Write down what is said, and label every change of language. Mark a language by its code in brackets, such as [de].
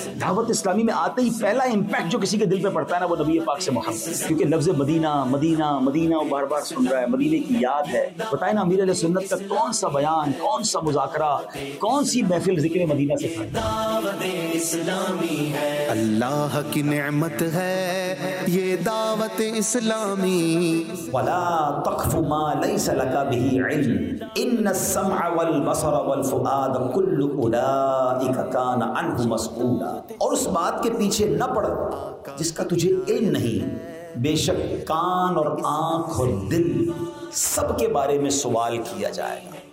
[ur] دعوت اسلامی میں آتے ہی پہلا امپیکٹ جو کسی کے دل پہ پڑتا ہے نا، وہ نبی پاک سے محبت، کیونکہ لفظ مدینہ مدینہ مدینہ وہ بار بار سن رہا ہے، مدینے کی یاد ہے۔ بتائیں نا، امیر علیہ سنت کا کون سا بیان، کون سا مذاکرہ، کون سی محفل ذکر مدینہ سے تھا؟ دعوت اسلامی ہے، اللہ کی نعمت ہے، یہ دعوت اسلامی۔ [ar] ولا تقف ما ليس لك به علم، ان السمع والبصر والفؤاد كل اولئك كان عنه مسؤولا۔ [ur] اور اس بات کے پیچھے نہ پڑ جس کا تجھے علم نہیں، بے شک کان اور آنکھ اور دل سب کے بارے میں سوال کیا جائے گا۔